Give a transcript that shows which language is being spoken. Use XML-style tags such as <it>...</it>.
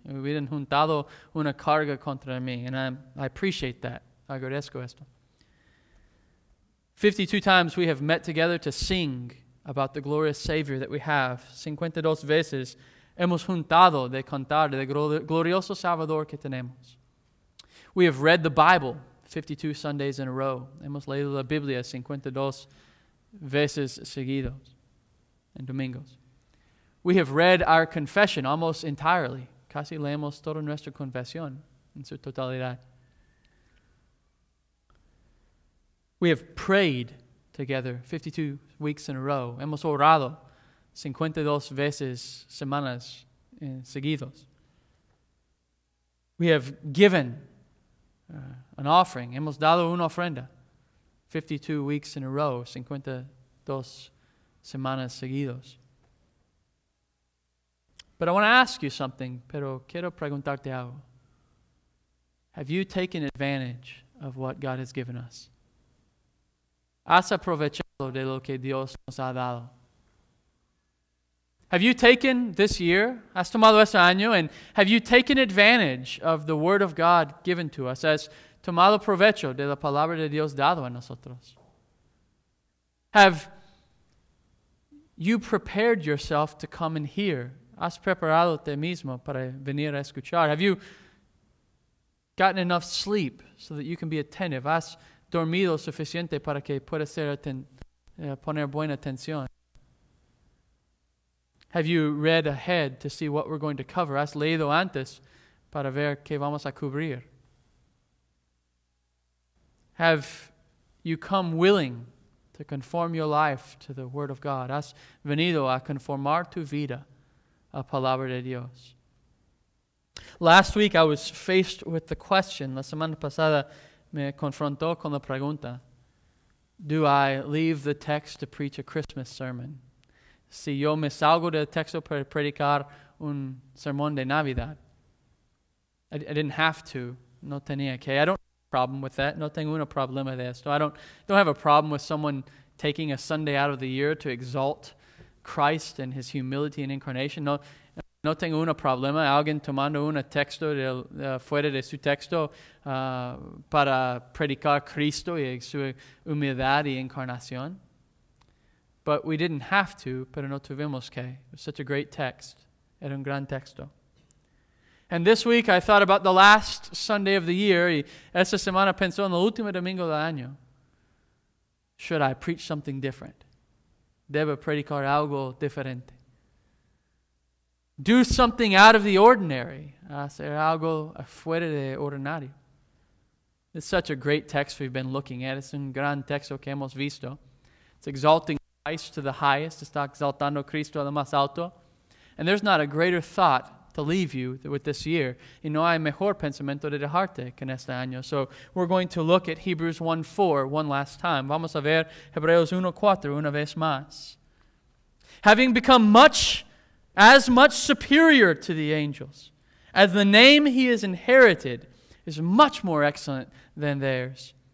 <es>Hubieran juntado una carga contra mí.</es> <en>And I appreciate that.</en> <es>Agradezco esto.</es> <en>52 times we have met together to sing about the glorious Savior that we have.</en> <es>52 veces hemos juntado de cantar del glorioso Salvador que tenemos.</es> <en>We have read the Bible 52 Sundays in a row.</en> <es>Hemos leído la Biblia 52 veces seguidos en domingos.</es> <en>We have read our confession almost entirely.</en> <es>Casi leemos toda nuestra confesión en su totalidad.</es> <en>We have prayed together 52 weeks in a row.</en> <es>Hemos orado 52 veces semanas seguidos.</es> <en>We have given an offering.</en> <es>Hemos dado una ofrenda</es> <en>52 weeks in a row,</en> <es>52 semanas seguidos.</es> <en>But I want to ask you something,</en> <es>pero quiero preguntarte algo.</es> <en>Have you taken advantage of what God has given us?</en> <es>¿Has aprovechado de lo que Dios nos ha dado?</es> <en>Have you taken this year,</en> <es>has tomado este año,</es> <en>and have you taken advantage of the Word of God given to us,</en> <es>as tomado provecho de la palabra de Dios dado a nosotros?</es> <en>Have you prepared yourself to come and hear?</en> <es>Has preparado te mismo para venir a escuchar?</es> <en>Have you gotten enough sleep so that you can be attentive?</en> <es>Has dormido suficiente para que pueda poner buena atención?</es> <en>Have you read ahead to see what we're going to cover?</en> <es>¿Has leído antes para ver qué vamos a cubrir?</es> <en>Have you come willing to conform your life to the Word of God?</en> <es>¿Has venido a conformar tu vida a palabra de Dios?</es> <en>Last week I was faced with the question,</en> <es>la semana pasada me confrontó con la pregunta,</es> <en>do I leave the text to preach a Christmas sermon?</en> <es>Si yo me salgo del texto para predicar un sermón de Navidad.</es> <en>I didn't have to.</en> <es>No tenía que.</es> <en>I don't have a problem with that.</en> <es>No tengo un problema de esto.</es> <en>I don't have a problem with someone taking a Sunday out of the year to exalt Christ and His humility and incarnation.</en> <es>No tengo un problema. Alguien tomando un texto fuera de su texto para predicar Cristo y su humildad y encarnación.</es> <en>But we didn't have to,</en> <es>pero no tuvimos que.</es> <en>It was such a great text.</en> <es>Era un gran texto.</es> <en>And this week I thought about the last Sunday of the year.</en> <es>Y esta semana pensó en el último domingo del año.</es> <en>Should I preach something different?</en> <es>Debo predicar algo diferente.</es> <en>Do something out of the ordinary.</en> <es>Hacer algo fuera de ordinario.</es> <en>It's such a great text we've been looking at.</en> <es>Es un gran texto que hemos visto.</es> <en>It's exalting Christ to the highest,</en> <es>está exaltando Cristo a lo más alto.</es> <en>And there's not a greater thought to leave you with this year.</en> <es>Y no hay mejor pensamiento de dejarte que en este año.</es> <en>So we're going to look at Hebrews 1:4 one last time.</en> <es>Vamos a ver Hebreos 1:4 una vez más.</es> <en>Having become as much superior to the angels, as the name he has inherited is much more excellent than theirs.</en>